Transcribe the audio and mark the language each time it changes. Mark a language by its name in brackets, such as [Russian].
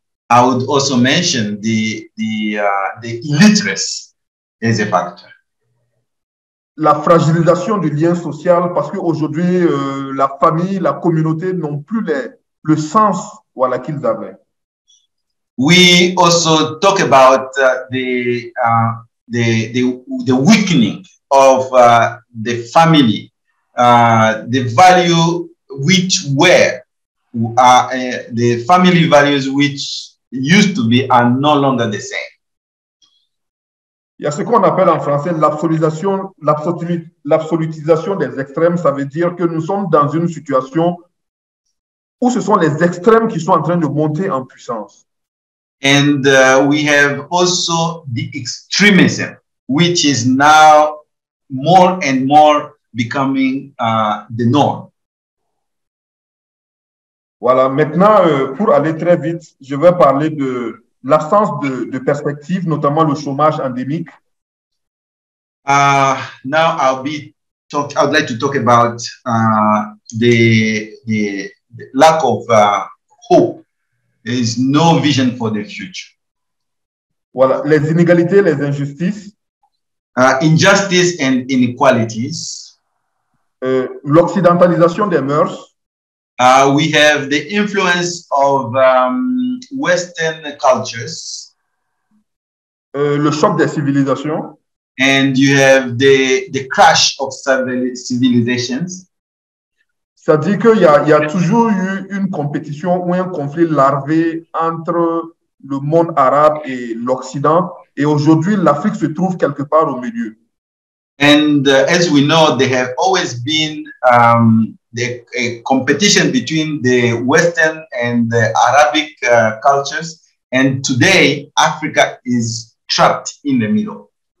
[English] I would also mention the illiteracy as a factor. [French] La fragilisation du lien social parce que aujourd'hui la famille, la communauté n'ont plus le sens voilà qu'ils avaient. [English] We also talk about the weakening of the family the value which were the family values which used to be are no longer the same. [French] Il y a ce qu'on appelle en français l'absolutisation des extrêmes. Ça veut dire que nous sommes dans une situation où ce sont les extrêmes qui sont en train de monter en puissance. [English] And we have also the extremism, which is now more and more becoming the norm. [French] Voilà, maintenant, pour aller très vite, je vais parler de l'absence de perspective, notamment le chômage endémique. [English] Now I'd like to talk about the lack of hope. There is no vision for the future. [French] Voilà, les inégalités, les injustices. [English] Injustice and inequalities. [French] L'occidentalisation des mœurs. [English] We have the influence of Western cultures. [French] Le choc des civilisations. [English] And you have the crash of civilizations. [French] C'est-à-dire qu'il y a toujours eu une compétition ou un conflit larvé entre le monde arabe et l'Occident. Et aujourd'hui, l'Afrique se trouve quelque part au milieu. [English] And as we know, there have always been a competition between the Western and the Arabic cultures. And today, Africa is trapped in the middle.